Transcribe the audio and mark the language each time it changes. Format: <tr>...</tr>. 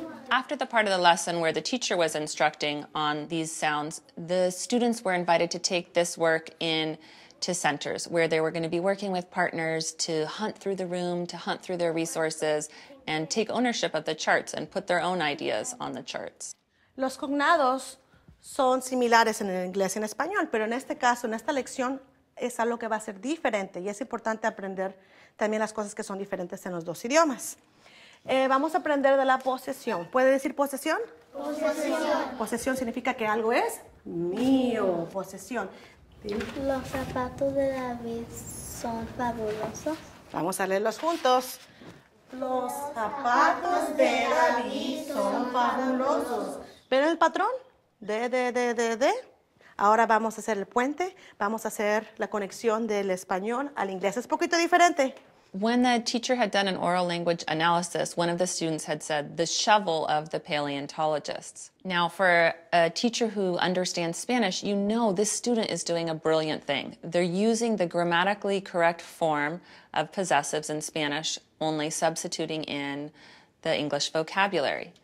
<en>After the part of the lesson where the teacher was instructing on these sounds, the students were invited to take this work in to centers where they were going to be working with partners to hunt through the room, to hunt through their resources, and take ownership of the charts and put their own ideas on the charts.</en> <es>Los cognados son similares en el inglés y en español, pero en este caso, en esta lección, es algo que va a ser diferente y es importante aprender también las cosas que son diferentes en los dos idiomas. Vamos a aprender de la posesión. ¿Puede decir posesión? Posesión. Posesión significa que algo es mío. Posesión. Los zapatos de David son fabulosos. Vamos a leerlos juntos. Los zapatos de David son fabulosos. ¿Ven el patrón? De. Ahora vamos a hacer el puente, vamos a hacer la conexión del español al inglés. Es poquito diferente.</es> <en>When the teacher had done an oral language analysis, one of the students had said, the shovel of the paleontologists. Now, for a teacher who understands Spanish, you know this student is doing a brilliant thing. They're using the grammatically correct form of possessives in Spanish, only substituting in the English vocabulary.</en>